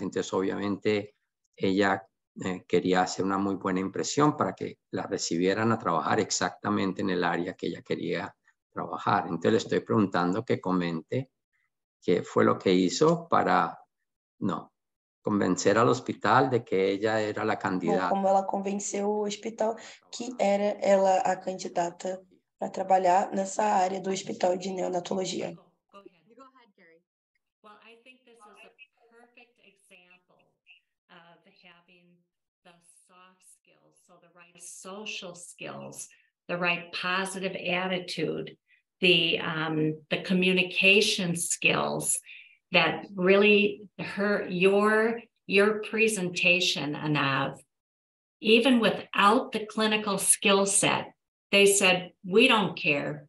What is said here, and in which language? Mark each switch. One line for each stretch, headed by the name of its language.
Spanish: Entonces, obviamente, ella quería hacer una muy buena impresión para que la recibieran a trabajar exactamente en el área que ella quería trabajar. Entonces le estoy preguntando que comente qué fue lo que hizo para convencer al hospital de que ella era la candidata.
Portuguese: Como ela convenceu o hospital que era ela a candidata para trabalhar nessa área do hospital de neonatologia.
English: Go ahead, Gary. Well, I think this is a perfect example of having the soft skills, so the right social skills, the right positive attitude, the communication skills that really your presentation, Anav, even without the clinical skill set, they said, we don't care.